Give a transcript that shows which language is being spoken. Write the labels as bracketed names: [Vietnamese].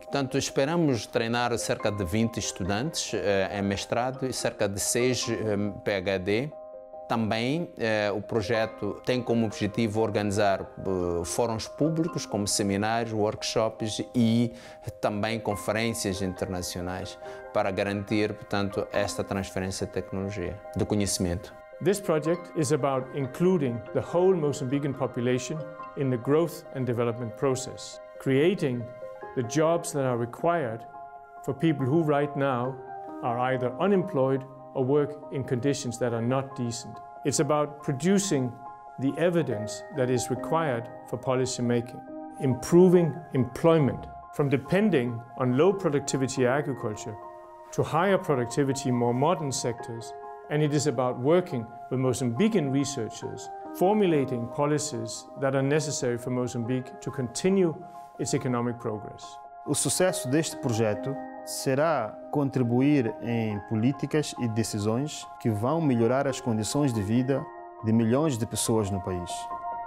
[Portuguese] Portanto, esperamos treinar cerca de 20 estudantes em mestrado e cerca de 6 PhD. Também o projeto tem como objetivo organizar fóruns públicos, como seminários, workshops e também conferências internacionais para garantir, portanto, esta transferência de tecnologia, de conhecimento. [English] This project is about including the whole Mozambican population in the growth and development process, creating the jobs that are required for people who right now are either unemployed or work in conditions that are not decent. It's about producing the evidence that is required for policy making, improving employment from depending on low productivity agriculture to higher productivity, more modern sectors. And it is about working with Mozambican researchers, formulating policies that are necessary for Mozambique to continue its economic progress. [Portuguese] O sucesso deste projeto será contribuir em políticas e decisões que vão melhorar as condições de vida de milhões de pessoas no país.